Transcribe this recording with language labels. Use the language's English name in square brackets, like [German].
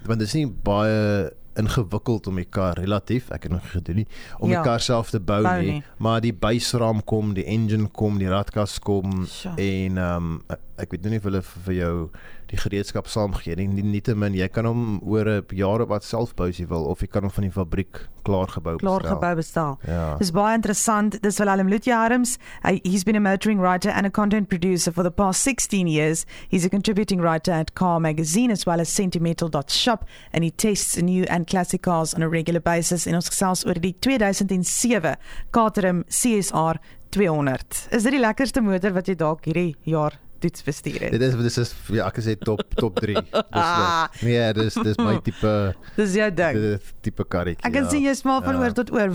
[Afrikaans] Want dit is nie baie ingewikkeld om die kar relatief, ek het nog gedoen nie, om die kar self te bou nie, maar die buisraam kom, die engine kom, die radkas kom, en ek weet nie of hulle vir jou die gereedskap saamgee nie, nie te min, jy kan hom oor jare wat self bou as jy wil, of jy kan hom van die fabriek klaar gebou bestel. Ja. Dis baie interessant, [English] dis Wilhelm Lutje Harms, he's been a motoring writer and a content producer for the past 16 years, he's a contributing writer at Car Magazine as well as Sentimental.shop and he tests new and classic cars on a regular basis [Afrikaans] en ons gesels oor die 2007 Caterham CSR 200. Is dit die lekkerste motor wat jy dalk hierdie jaar toets bestuur het? Dit is ja, ek sê top 3. Dit is my tipe. Dis jou ding. Tipe karretjie. Ek kan sien jy smaak van oor tot oor.